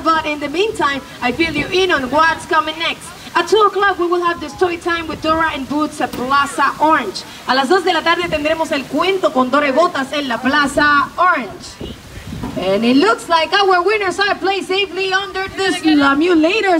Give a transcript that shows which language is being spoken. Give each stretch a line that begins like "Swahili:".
English: But in the meantime, I fill you in on what's coming next. At 2 o'clock, we will have the story time with Dora and Boots at Plaza Orange.
Spanish: A las 2 de la tarde, tendremos el cuento con Dora y Botas en la Plaza Orange.
English: And it looks like our winners are placed safely under the simulator.